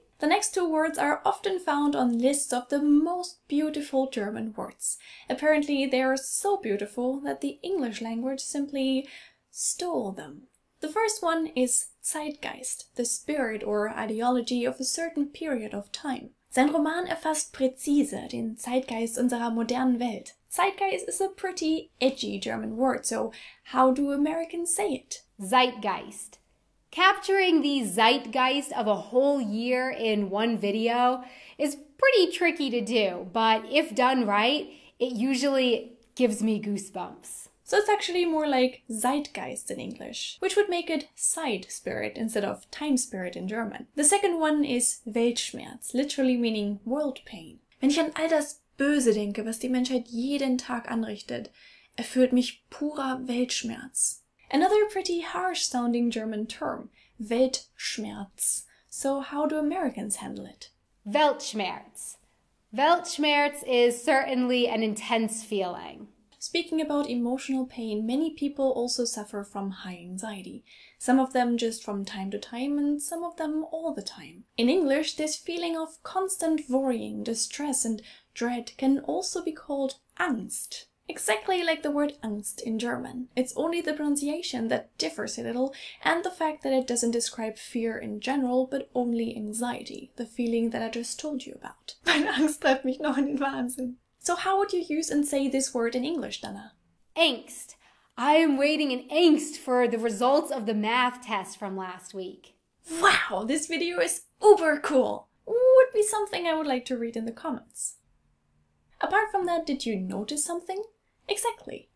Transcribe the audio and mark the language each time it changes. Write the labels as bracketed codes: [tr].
[en] The next two words are often found on lists of the most beautiful German words. Apparently, they are so beautiful that the English language simply stole them. The first one is Zeitgeist, the spirit or ideology of a certain period of time. [de] Sein Roman erfasst präzise den Zeitgeist unserer modernen Welt. [en] Zeitgeist is a pretty edgy German word, so how do Americans say it? Zeitgeist. Capturing the zeitgeist of a whole year in one video is pretty tricky to do, but if done right, it usually gives me goosebumps. So it's actually more like Zeitgeist in English, which would make it Zeit spirit instead of time spirit in German. The second one is Weltschmerz, literally meaning world pain. [de] Wenn ich an all das Böse denke, was die Menschheit jeden Tag anrichtet, erfüllt mich purer Weltschmerz. [en] Another pretty harsh-sounding German term, Weltschmerz. So how do Americans handle it? Weltschmerz. Weltschmerz is certainly an intense feeling. Speaking about emotional pain, many people also suffer from high anxiety. Some of them just from time to time, and some of them all the time. In English, this feeling of constant worrying, distress, and dread can also be called Angst. Exactly like the word Angst in German. It's only the pronunciation that differs a little, and the fact that it doesn't describe fear in general, but only anxiety, the feeling that I just told you about. [de] Mein Angst treibt mich noch in den Wahnsinn. [en] So how would you use and say this word in English, Dana? Angst. I am waiting in angst for the results of the math test from last week. Wow, this video is uber cool! Would be something I would like to read in the comments. Apart from that, did you notice something? Exactly.